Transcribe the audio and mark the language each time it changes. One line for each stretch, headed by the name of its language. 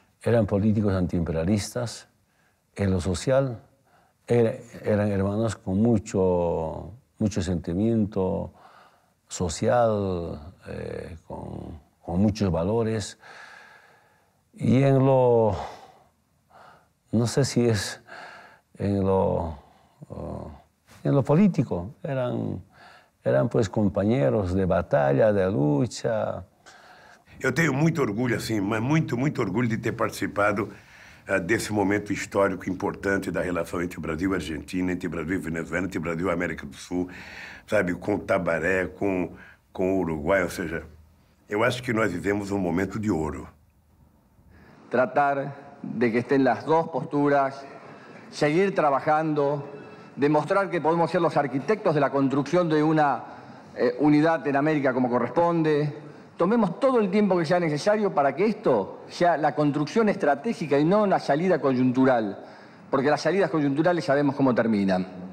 Spanish: Eran políticos antiimperialistas, en lo social, eran hermanos con mucho sentimiento social, con muchos valores. Y en lo, no sé si es en lo político, eran pues compañeros de batalla, de lucha.
Portuguese: Eu tenho muito orgulho, assim, mas muito, muito orgulho de ter participado desse momento histórico importante da relação entre o Brasil e a Argentina, entre o Brasil e a Venezuela, entre o Brasil e a América do Sul, sabe, com o Tabaré, com o Uruguai, ou seja, eu acho que nós vivemos um momento de ouro.
Spanish: Tratar de que estén las dos posturas, seguir trabajando, demostrar que podemos ser los arquitectos de la construcción de una unidad en América como corresponde. Tomemos todo el tiempo que sea necesario para que esto sea la construcción estratégica y no una salida coyuntural, porque las salidas coyunturales sabemos cómo terminan.